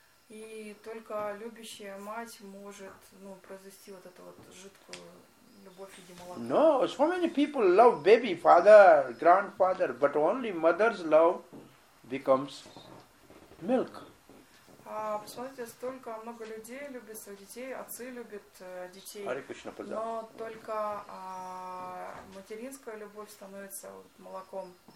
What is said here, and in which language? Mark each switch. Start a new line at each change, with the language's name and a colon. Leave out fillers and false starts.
Russian: И только любящая мать может, ну, произвести вот эту вот жидкую любовь и молоко.
English: No, so many people love baby, father, grandfather, but only mother's love becomes milk.
Russian: А посмотрите, столько много людей любят своих детей, отцы любят детей, но только материнская любовь становится вот молоком.